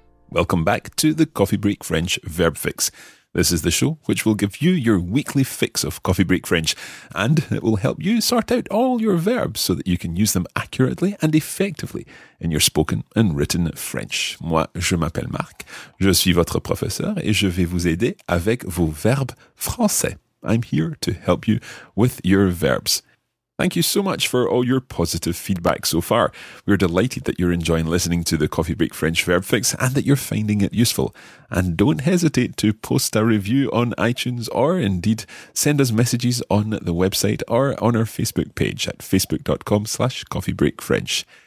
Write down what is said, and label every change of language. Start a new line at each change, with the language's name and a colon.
English: Welcome back to the Coffee Break French Verb Fix. This is the show which will give you your weekly fix of Coffee Break French, and it will help you sort out all your verbs so that you can use them accurately and effectively in your spoken and written French.
French: Moi, je m'appelle Marc, je suis votre professeur, et je vais vous aider avec vos verbes français.
English: I'm here to help you with your verbs. Thank you so much for all your positive feedback so far. We're delighted that you're enjoying listening to the Coffee Break French Verb Fix and that you're finding it useful. And don't hesitate to post a review on iTunes or indeed send us messages on the website or on our Facebook page at facebook.com/coffeebreakfrench.